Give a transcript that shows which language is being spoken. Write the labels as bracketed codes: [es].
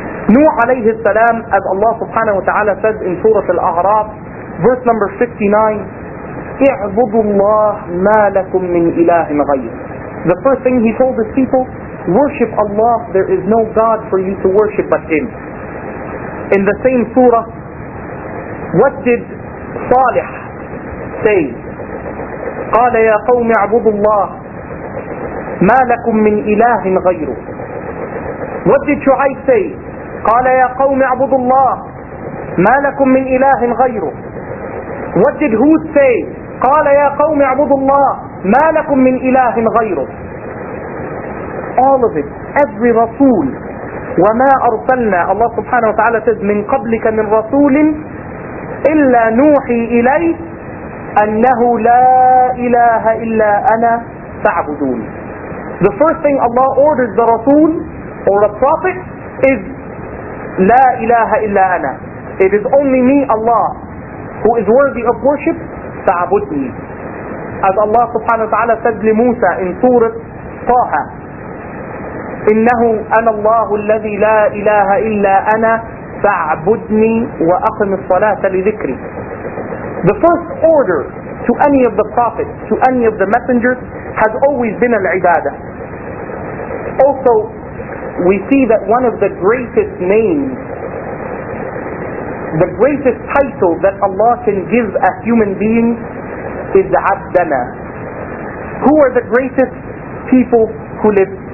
[en] Nuh alayhi salam, as Allah subhanahu wa ta'ala says in Surah Al-A'raf, verse number 59, [ar] اعبدوا الله ما لكم من إله غير. [en] The first thing he told his people, worship Allah, there is no God for you to worship but Him. In the same surah, what did Salih say? [ar] قال يا قوم اعبدوا الله ما لكم من إله غيره. [en] What did Shu'ayb say? [ar] قال يا قوم اعبدوا الله ما لكم من إله غيره. [en] What did Hud say? [ar] قال يا قوم اعبدوا الله ما لكم من إله غيره. [en] All of it, every Rasul, [ar] وَمَا أَرْسَلْنَا, [en] Allah subhanahu wa ta'ala says, [ar] مِنْ قَبْلِكَ مِنْ رَسُولٍ إِلَّا نُوحِي إِلَيْهِ أَنَّهُ لَا إِلَهَ إِلَّا أَنَا فَعْبُدُونَ. [en] The first thing Allah orders the Rasul or the Prophet is [ar] لَا إِلَهَ إِلَّا أَنَا. [en] It is only me, Allah, who is worthy of worship. [ar] فَعْبُدْنِي. [en] As Allah subhanahu wa ta'ala said to Musa in Surah Taha, [ar] إِنَّهُ أَنَا اللَّهُ الَّذِي لَا إِلَهَ إِلَّا أَنَا فَاعْبُدْنِي وَأَقِمِ الصَّلَاةَ لِذِكْرِي. [en] The first order to any of the prophets, to any of the messengers, has always been al-ibadah. Also, we see that one of the greatest names, the greatest title that Allah can give a human being is عَبْدَنَا. Who are the greatest people who live